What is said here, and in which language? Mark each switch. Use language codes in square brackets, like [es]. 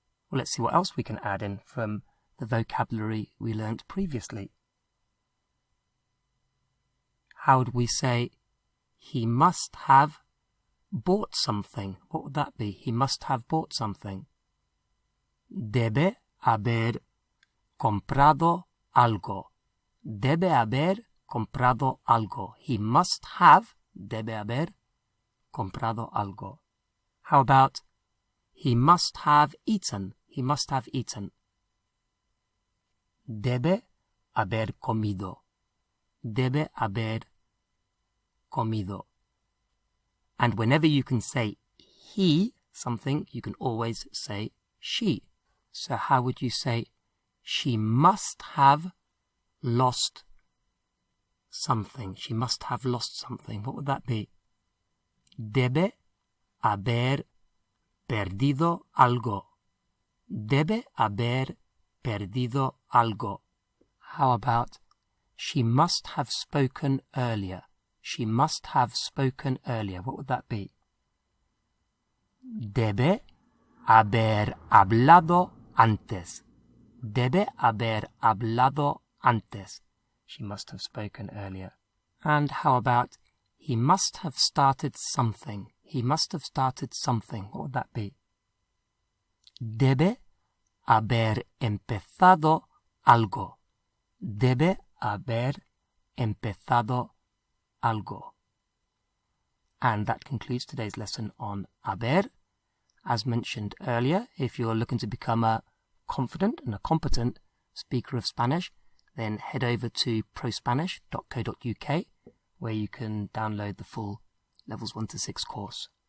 [en] Well, let's see what else we can add in from the vocabulary we learnt previously. How would we say he must have bought something? What would that be? He must have bought something. [es] Debe haber comprado algo. Debe haber comprado algo. [en] He must have, [es] debe haber, comprado algo. [en] How about he must have eaten? He must have eaten. [es] Debe haber comido. Debe haber comido. [en] And whenever you can say he something, you can always say she. So how would you say she must have lost something? She must have lost something. What would that be? [es] Debe haber perdido algo. Debe haber perdido algo. [en] How about she must have spoken earlier? She must have spoken earlier. What would that be? [es] Debe haber hablado antes. Debe haber hablado antes. [en] She must have spoken earlier. And how about he must have started something? He must have started something. What would that be? [es] Debe haber empezado algo. Debe haber empezado algo. [en] And that concludes today's lesson on haber. As mentioned earlier, if you're looking to become a confident and a competent speaker of Spanish, then head over to prospanish.co.uk, where you can download the full levels 1 to 6 course.